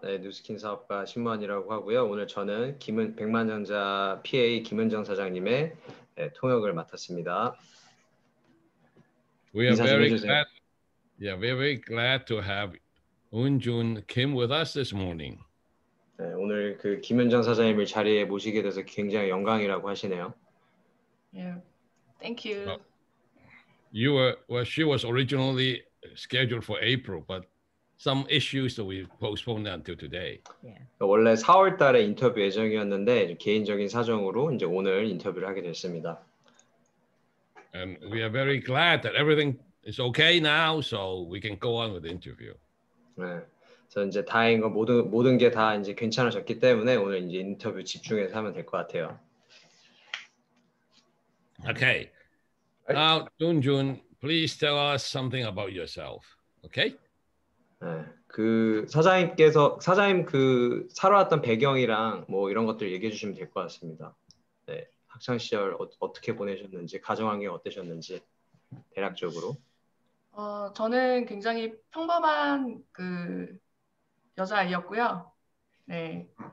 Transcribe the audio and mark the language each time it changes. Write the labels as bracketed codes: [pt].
[ko] 네, 뉴스킨 사업가 신무한이라고 하고요. 오늘 저는 백만전자 PA 김은정 사장님의 네, 통역을 맡았습니다. [en] We are very glad. Yeah, we're very glad to have Eunjun Kim with us this morning. [ko] 네, 오늘 그 김은정 사장님을 자리에 모시게 돼서 굉장히 영광이라고 하시네요. [en] Yeah, thank you. She was originally scheduled for April, but some issues that we postponed until today. Yeah. [ko] 원래 4월 달에 인터뷰 예정이었는데 개인적인 사정으로 이제 오늘 인터뷰를 하게 됐습니다. [en] And we are very glad that everything is okay now, so we can go on with the interview. [ko] 네, 저 이제 다행인 건 모든 게 다 이제 괜찮아졌기 때문에 오늘 이제 인터뷰 집중해서 하면 될 것 같아요. [en] Okay. Now, Eunjun, please tell us something about yourself. Okay? [ko] 네, 그 사장님께서 사장님 그 살아왔던 배경이랑 뭐 이런 것들 얘기해 주시면 될 것 같습니다. 네. 학창 시절 어떻게 보내셨는지, 가정 환경 어떠셨는지 대략적으로. 저는 굉장히 평범한 그 여자아이였고요. 네.